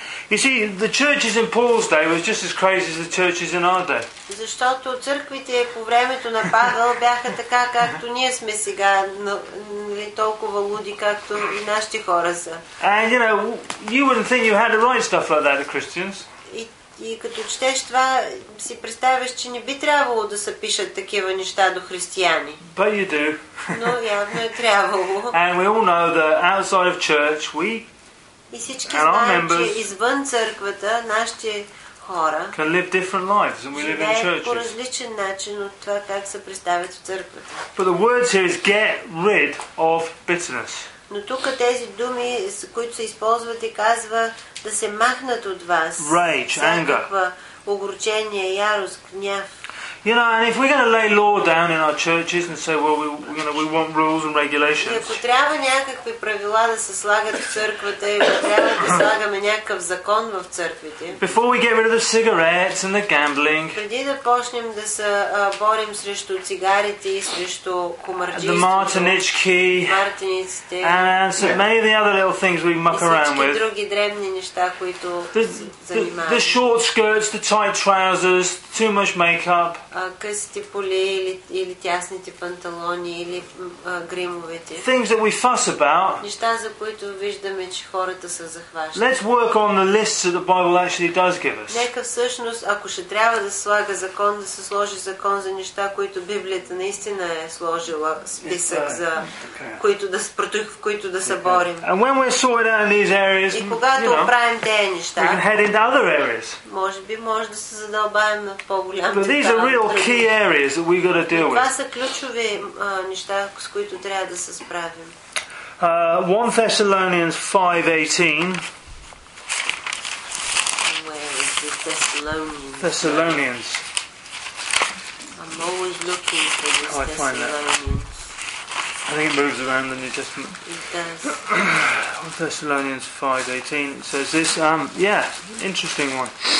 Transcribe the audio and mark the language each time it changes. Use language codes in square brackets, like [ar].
[en] You see, the churches in Paul's day was just as crazy as the churches in our day. [bg] Защото църквите по времето на Павел бяха така, както ние сме сега, не толкова луди, както и нашите хора са. [en] And you know, you wouldn't think you had to write stuff like that to Christians. [bg] И като четеш това, си представяш, че не би трябвало да се пишат такива неща до християни. [en] But you do. [bg] Но явно е трябвало. [en] And we all know that outside of church, we [bg] и всички знаем, members, че извън църквата нашите хора [en] can live different lives than we live in churches. [bg] По различен начин от това как се представят в църквата. [en] But the word here is get rid of bitterness. [bg] Но тук тези думи, които се използват и казва да се махнат от вас. [en] Rage, anger. [bg] Огорчение, ярост, гняв. [en] You know, and if we're going to lay law down in our churches and say, well, we want rules and regulations. [bg] И ако трябва някакви правила да се слагат в църквата и трябва да слагаме някакъв закон в църквите. [en] Before we get rid of the cigarettes and the gambling. [bg] Преди да почнем да се борим срещу цигарите и срещу комарчиството. [en] The Martinichki. [bg] Мартиниците. [en] And so many of the other little things we muck around with. [bg] И други дребни неща, които занимаваме. [en] The short skirts, the tight trousers, too much makeup. [bg] Късите поли или тясните панталони или гримовете. [en] Things that we fuss about. [bg] Неща, за които виждаме, че хората се захващат. [en] Let's work on the lists that the Bible actually does give us. [bg] Нека всъщност, ако ще трябва да слага закон, да се сложи закон за неща, които Библията наистина е сложила списък за които да спротив, в които да се борим. [en] And when we're sorted out in these areas, [bg] и когато оправим тези неща, [en] we can head into other areas. [bg] Може би може да се задълбаем на по-голям. [en] Real key areas that we got to deal with. [bg] Това са ключови неща, с които трябва да се справим. [en] 1 Thessalonians 5:18. Where is the Thessalonians? Thessalonians. I'm always looking for this Thessalonians. I think it moves around the New Testament. It does. 1 Thessalonians 5:18 says this. Interesting one.